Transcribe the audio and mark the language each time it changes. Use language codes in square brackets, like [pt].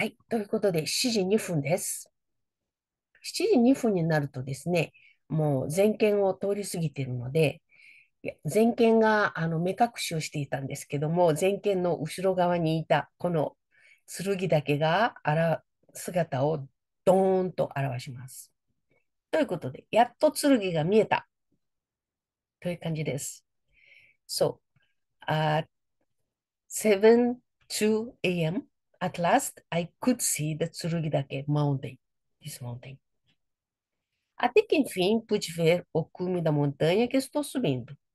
[ja] ということで、7時2分です。7時2分になるとですね、もう全県を通り過ぎているので、全県が目隠しをしていたんですけども、全県の後ろ側にいたこの剣岳が姿をドーンと現します。ということで、やっと剣が見えたという感じです。 [en] So, at 7:02 a.m., at last, I could see the 剣岳 mountain, this mountain. [pt] Até que enfim pude ver o cume da montanha que estou subindo.